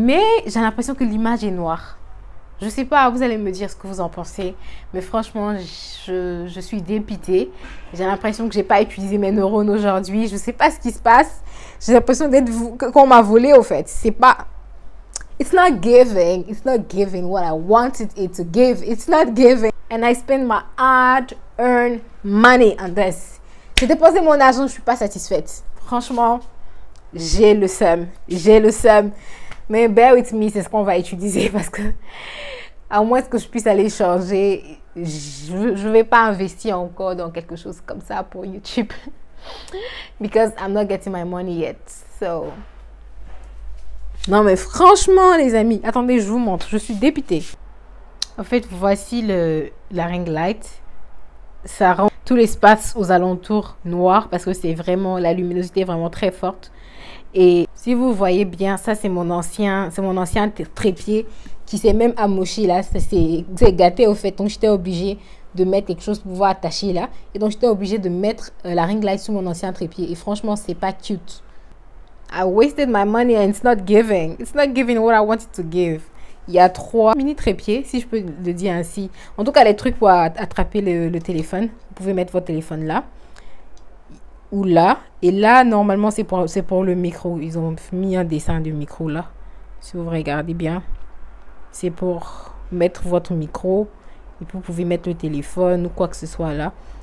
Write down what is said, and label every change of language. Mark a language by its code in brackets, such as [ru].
[fr] Mais j'ai l'impression que l'image est noire. Je sais pas, vous allez me dire ce que vous en pensez, mais franchement, je suis dépitée. J'ai l'impression que j'ai pas utilisé mes neurones aujourd'hui. Je sais pas ce qui se passe. J'ai l'impression d'être qu'on m'a volé au fait. C'est pas. [en] It's not giving. It's not giving what I wanted it to give. It's not giving. And I spend my hard-earned money on this. [fr] J'ai dépensé mon argent, je suis pas satisfaite. Franchement, j'ai le seum. J'ai le seum. Mais [en] bear with me, [fr] c'est ce qu'on va utiliser parce que à moins que je puisse aller changer, je ne vais pas investir encore dans quelque chose comme ça pour YouTube. [en] Because I'm not getting my money yet. So. [fr] Non mais franchement les amis, attendez, je vous montre, je suis dépitée. En fait, voici la ring light. Ça rend tout l'espace aux alentours noir parce que c'est vraiment, la luminosité est vraiment très forte. Et si vous voyez bien, ça c'est mon ancien trépied qui s'est même amoché là, ça s'est gâté au fait. Donc j'étais obligée de mettre quelque chose pour pouvoir attacher là. Et donc j'étais obligée de mettre la ring light sur mon ancien trépied. Et franchement, c'est pas cute. [en] I wasted my money and it's not giving. It's not giving what I wanted to give. [fr] Il y a 3 mini trépieds, si je peux le dire ainsi. En tout cas, les trucs pour attraper le téléphone. Vous pouvez mettre votre téléphone là. Ou là, et là normalement c'est pour le micro. Ils ont mis un dessin du micro là, si vous regardez bien, c'est pour mettre votre micro et vous pouvez mettre le téléphone ou quoi que ce soit là.